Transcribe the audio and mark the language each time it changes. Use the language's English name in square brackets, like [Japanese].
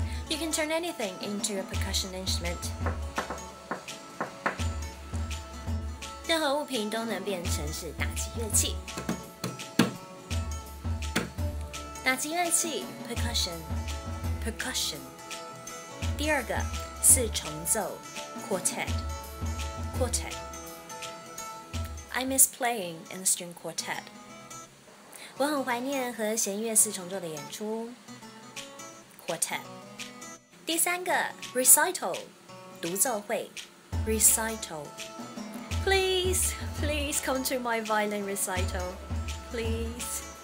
[English] You can turn anything into a percussion instrument. [Chinese] 任何物品都能变成是打击乐器。打击乐器 Percussion. Percussion. 第二个四重奏 Quartet. [English] Quartet. I miss playing in the string quartet. [Chinese] 我很怀念和弦乐四重奏的演出。 Quartet. 第三个 recital, 独奏会。Recital. [English] Please, please come to my violin recital. Please.